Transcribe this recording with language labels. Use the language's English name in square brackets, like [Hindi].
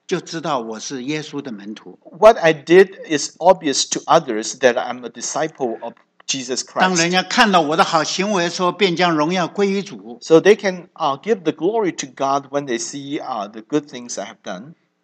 [Chinese] 我的行为让别人看了就知道我是耶稣的门徒。 [English] What I did is obvious to others that I'm a disciple of Jesus Christ. [Chinese] 当人家看到我的好行为的时候便将荣耀归于主。 [English] So they can give the glory to God when they see the good things I have done.